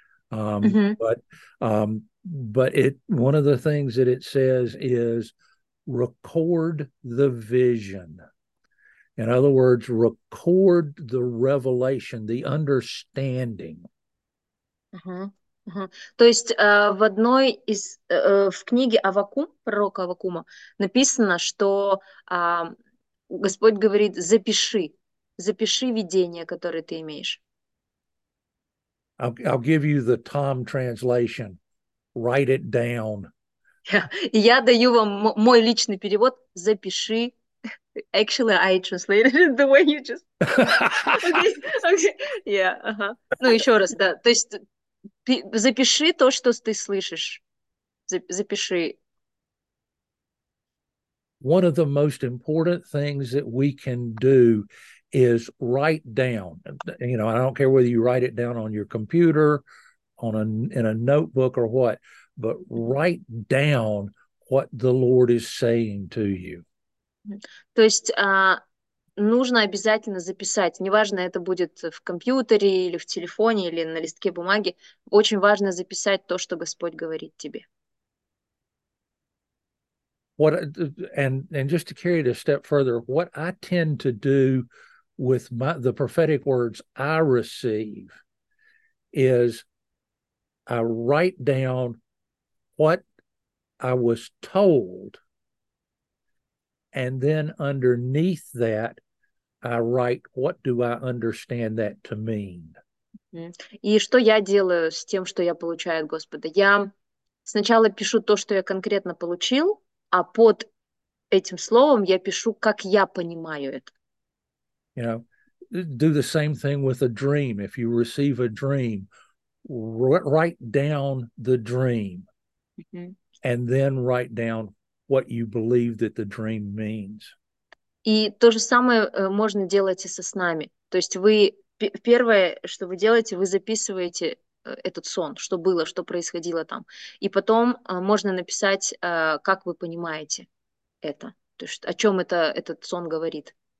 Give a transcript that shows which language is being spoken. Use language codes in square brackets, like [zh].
[en] But it one of the things that it says is record the vision. In other words, record the revelation, the understanding. [ru] То есть в одной из в книге Аввакум, пророка Аввакума, написано, что Господь говорит: запиши, запиши видение, которое ты имеешь. [en] I'll give you the Tom translation. Write it down. [ru] Я даю вам мой личный перевод. Запиши. [en] Actually, I translated it the way you just. Okay. Yeah. [ru] Ну еще раз, да. То есть запиши то, что ты слышишь. Запиши. [en] One of the most important things that we can do is write down. You know, I don't care whether you write it down on your computer, on a in a notebook or what, but write down what the Lord is saying to you. [ru] То есть нужно обязательно записать. Неважно, это будет в компьютере или в телефоне или на листке бумаги. Очень важно записать то, что Господь говорит тебе. [en] What and just to carry it a step further, what I tend to do with my, the prophetic words I receive is I write down what I was told, and then underneath that, I write what do I understand that to mean. [ru] И что я делаю с тем, что я получаю от Господа? Я сначала пишу то, что я конкретно получил, а под этим словом я пишу, как я понимаю это. [en] You know, do the same thing with a dream. If you receive a dream, write down the dream, and then write down what you believe that the dream means. [ru] И то же самое можно делать и со снами. То есть вы первое, что вы делаете, вы записываете этот сон, что было, что происходило там, и потом можно написать, как вы понимаете это, то есть о чем это этот сон говорит.